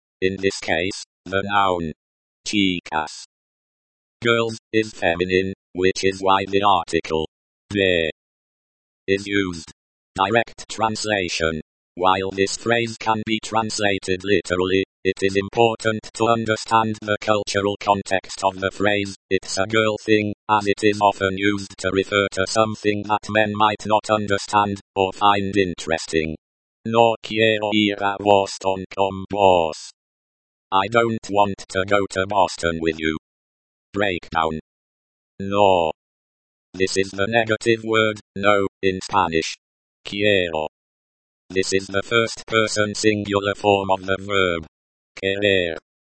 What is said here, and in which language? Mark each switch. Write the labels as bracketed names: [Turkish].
[English] In this case, the noun chicas, girls, is feminine, which is why the article de is used. Direct translation. While this phrase can be translated literally, it is important to understand the cultural context of the phrase, it's a girl thing, as it is often used to refer to something that men might not understand or find interesting. [Spanish] No quiero ir a Boston con vos. [English] I don't want to go to Boston with you. Breakdown. No. This is the negative word, no, in Spanish. Quiero. This is the first person singular form of the verb. Querer.